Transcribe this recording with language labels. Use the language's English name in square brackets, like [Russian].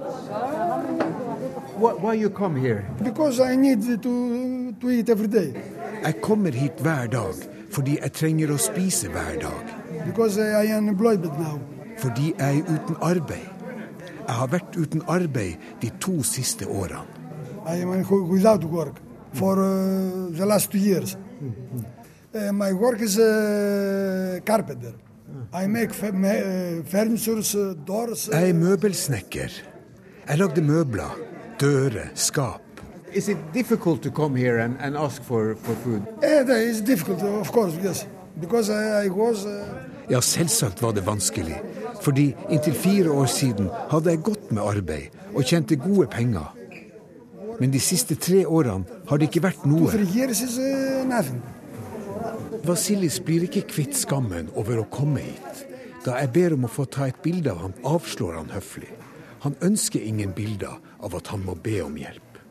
[English] Why you come here? Because I need to eat every day. [Norwegian] Jeg kommer hit hver dag fordi jeg trenger å spise hver dag. [English] Because I am employed now. [Norwegian] Fordi jeg er uten arbeid. Jeg har vært uten arbeid de to siste årene. [English] I am without work for the last 2 years. My work is a carpenter. I make furnitures, doors. [Norwegian] Jeg er møbelsnekker. Jeg lagde møbler, dører, skap. [English] Is it difficult to come here and ask for food? Yeah, it's difficult, of course, yes. Because I was... [Norwegian] Ja, selvsagt var det vanskelig. Fordi inntil 4 år siden hadde jeg gått med arbeid og kjente gode penger. Men de siste 3 årene har det ikke vært noe. [English] 2-3 years is nothing. [Norwegian] Vasilis blir ikke kvitt skammen over å komme hit. Da jeg ber om å få ta et bilde av ham, avslår han høflig. Han ønsker ingen bilder av at han må be om hjelp.